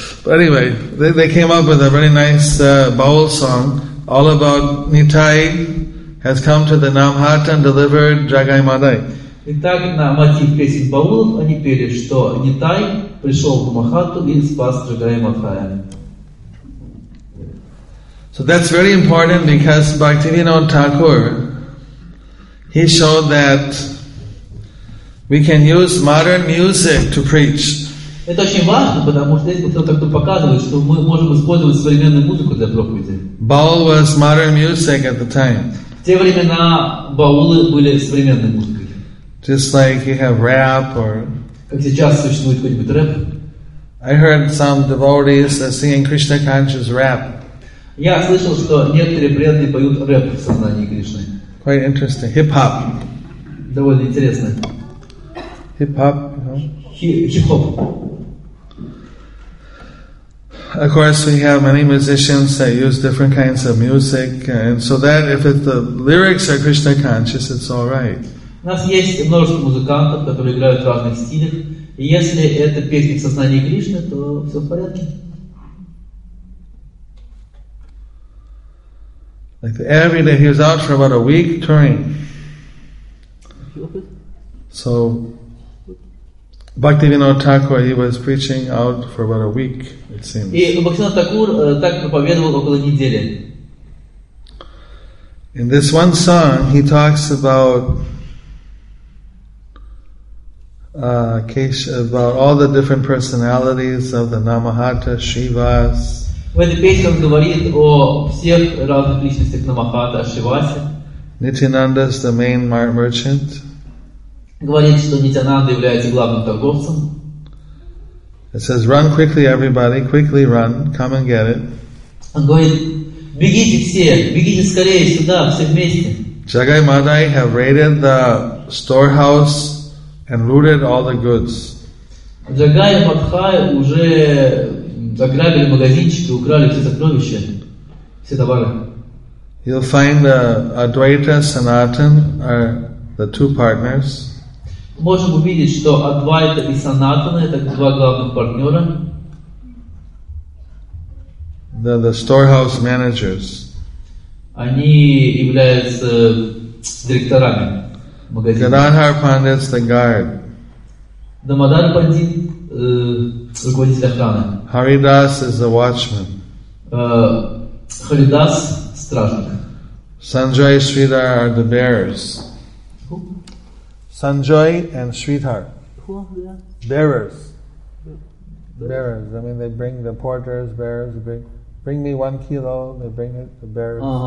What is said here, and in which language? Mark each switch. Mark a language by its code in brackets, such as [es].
[en] But anyway, they came up with a very nice baul song all about Nitai has come to the Namhat and delivered Jagai Madai. [ru] Итак, на мотив песен Баулов они пели, что Нитай пришел в Махату и спас Джагай Мадхая. [en] So that's very important because Bhaktivinoda Thakur, he showed that we can use modern music to preach. [ru] Это очень важно, потому что здесь вот это как-то показывает, что мы можем использовать современную музыку для проповеди. [en] Baul was modern music at the time. [ru] те времена баулы были современной музыкой. [en] Just like you have rap or. [ru] Как сейчас существует какой-нибудь рэп? [en] I heard some devotees that singing Krishna conscious rap. [ru] Я слышал, что некоторые преданные поют рэп в сознании Кришны. [en] Quite interesting. Hip hop. [ru] Довольно интересно. [en] Hip hop. Hip hop. Of course, we have many musicians that use different kinds of music, and so that if it, the lyrics are Krishna conscious, it's all right. [ru] У нас есть множество музыкантов, которые играют в разных стилях. И если это песня в сознании Кришны, то все в порядке. [en] Like the, every day he was out for about a week touring. So Bhaktivinoda Thakur, he was preaching out for about a week, it seems. [ru] И Бхактивинода Такур так проповедовал около недели. [en] In this one song, he talks about Kesha, about all the different personalities of the Namahata, Shivas. [ru] В этой песне он говорит о всех разных личностях Намахата, Шивасе. [en] Nityananda is the main merchant. [ru] Говорит, что Нитянанда является главным торговцем. [en] It says, run quickly everybody, quickly run, come and get it. [ru] Он говорит, бегите все, бегите скорее сюда, все вместе. [en] Jagai Madai have raided the storehouse and looted all the goods. [ru] Jagai и Madhai уже заграбили магазинчики, украли все сокровища, все товары. [en] You'll find Advaita Sanatan are the two partners. [ru] Можем увидеть, что Адвайта и Санатана это два главных партнера. [en] The storehouse managers. [ru] Они являются директорами магазина. [en] Gadadhar Pandit is the guard. [ru] Дамодар Пандит руководитель охраны. [en] Haridas is the watchman. [ru] Haridas стражник. [en] Sanjay Sridhar are the bearers. Sanjay and Sridhar. Bearers. Bearers. I mean, they bring the porters, bearers. Bring me 1 kilo, they bring it, the bearers.